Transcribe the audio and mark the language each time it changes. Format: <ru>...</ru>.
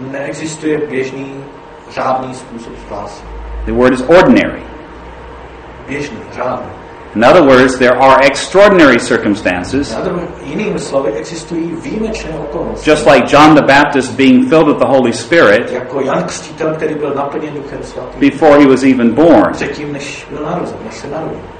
<cs>Neexistuje běžný řádný způsob spásy.</cs> <en>The word is ordinary.</en> <cs>Běžný, řádný.</cs> <en>In other words, there are extraordinary circumstances.</en> <cs>Jinými slovy, existují výjimečné okolnosti.</cs> <en>Just like John the Baptist being filled with the Holy Spirit</en> <cs>jako Jan Křtitel, který byl naplněn Duchem Svatým,</cs> <en>before he was even born.</en> <cs>Předtím, než byl narozen, než se narodil.</cs>